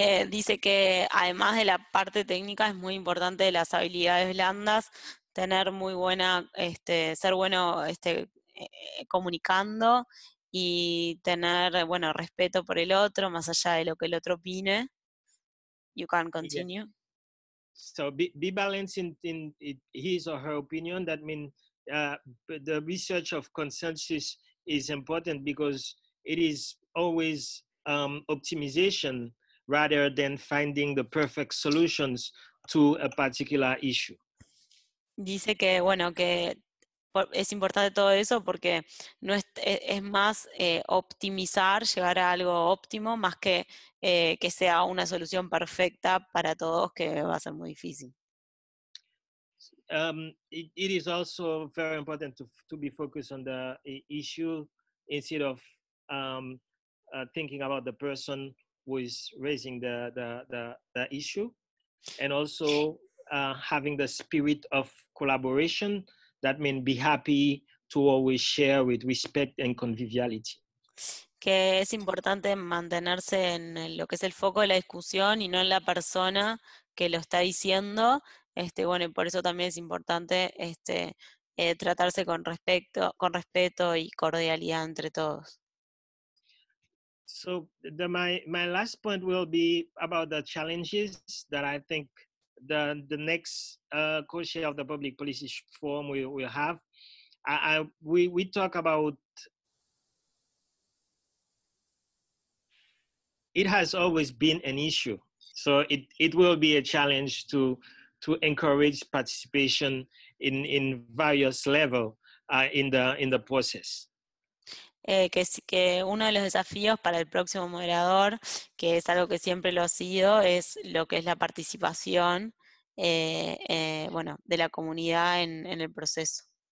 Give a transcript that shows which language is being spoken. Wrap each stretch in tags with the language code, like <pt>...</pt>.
<es>Dice que además de la parte técnica es muy importante las habilidades blandas, tener muy buena ser bueno comunicando y tener bueno respeto por el otro más allá de lo que el otro opine.</es> <en>You can continue. Yeah. So be balanced in his or her opinion. That means the research of consensus is important because it is always optimization rather than finding the perfect solutions to a particular issue.</en> <es>Dice que, bueno, que es importante todo eso porque no es, es más optimizar, llegar a algo óptimo, más que sea una solución perfecta para todos, que va a ser muy difícil.</es> <en>It is also very important to be focused on the issue instead of thinking about the person who is raising the issue, and also having the spirit of collaboration. That means be happy to always share with respect and conviviality.</en> <es>Que es importante mantenerse en lo que es el foco de la discusión y no en la persona que lo está diciendo. Bueno, y por eso también es importante tratarse con respeto y cordialidad entre todos.</es> <en>So my last point will be about the challenges that I think the next co-chair of the public policy forum will have. We talk about it has always been an issue, so it will be a challenge to encourage participation in various level in the process.</en> <es>Que uno de los desafíos para el próximo moderador, que es algo que siempre lo ha sido, es lo que es la participación bueno, de la comunidad en el proceso.</es>